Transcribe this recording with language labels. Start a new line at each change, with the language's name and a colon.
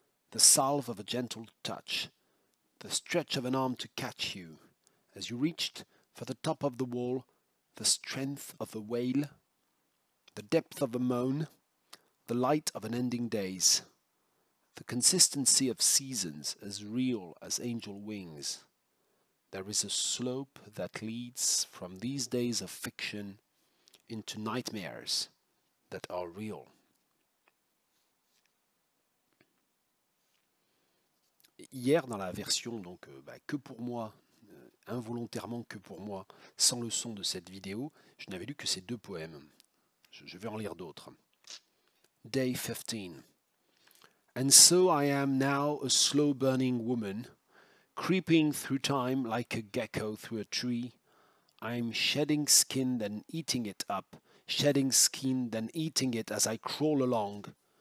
English: The salve of a gentle touch, the stretch of an arm to catch you as you reached for the top of the wall, the strength of the wail, the depth of a moan, the light of an ending days, the consistency of seasons as real as angel wings. There is a slope that leads from these days of fiction into nightmares that are real.
French: Hier, dans la version donc que pour moi, involontairement que pour moi, sans le son de cette vidéo, je n'avais lu que ces deux poèmes. Je vais en lire d'autres. Day 15.
English: And so I am now a slow-burning woman, creeping through time like a gecko through a tree. I am shedding skin, then eating it up, shedding skin, then eating it as I crawl along.